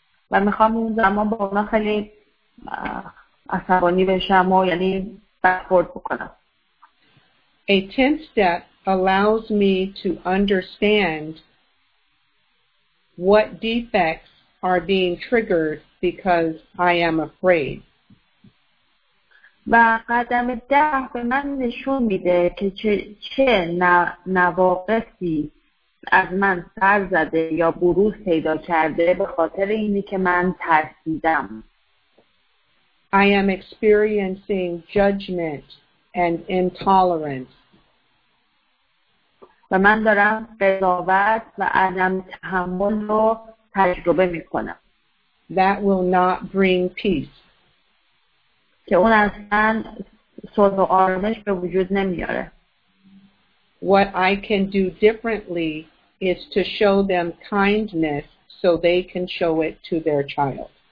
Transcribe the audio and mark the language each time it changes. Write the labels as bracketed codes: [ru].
[fa] و میخوام اون زمان با اونا خیلی عصبانی بشم و یعنی برخورد بکنم. [en] A tenth step allows me to understand what defects are being triggered because I am afraid. [fa] و قدم ده به من نشون میده که چه نواقصی از من سر زده یا بروز پیدا کرده به خاطر اینی که من ترسیدم. [en] I am experiencing judgment and intolerance. [fa] و من دارم قضاوت و عدم تحمل رو تجربه می کنم. [en] That will not bring peace. [fa] که اون از من صلح و آرامش به وجود نمیاره. [en] What I can do differently is to show them kindness so they can show it to their child.